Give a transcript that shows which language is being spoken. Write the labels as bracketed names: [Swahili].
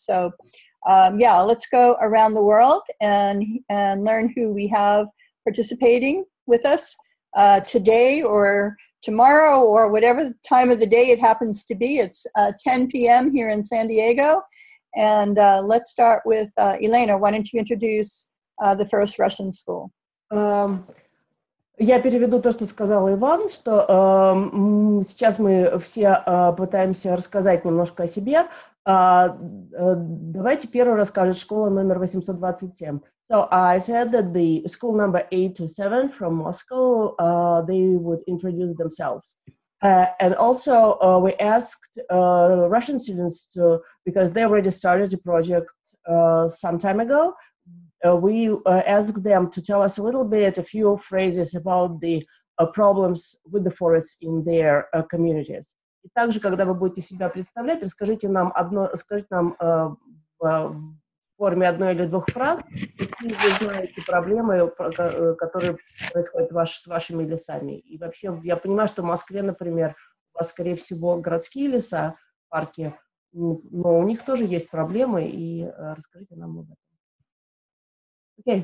[English] So yeah, let's go around the world and learn who we have participating with us today or tomorrow or whatever time of the day it happens to be. It's 10 p.m. here in San Diego. And let's start with Elena. Why don't you introduce the first Russian school? [Russian] Я переведу то, что сказал Иван, что сейчас мы все пытаемся рассказать немножко о себе. Давайте первый расскажет школа номер 827. [English] So I said that the school number 827 from Moscow, they would introduce themselves. And also we asked Russian students to, because they already started a project some time ago, we asked them to tell us a little bit, a few phrases about the problems with the forests in their communities. [Russian] И также, когда вы будете себя представлять, расскажите нам одно, скажите нам в форме одной или двух фраз, какие вы знаете проблемы, которые происходят с вашими лесами. И вообще, я понимаю, что в Москве, например, у вас, скорее всего, городские леса, парки, но у них тоже есть проблемы, и расскажите нам об этом.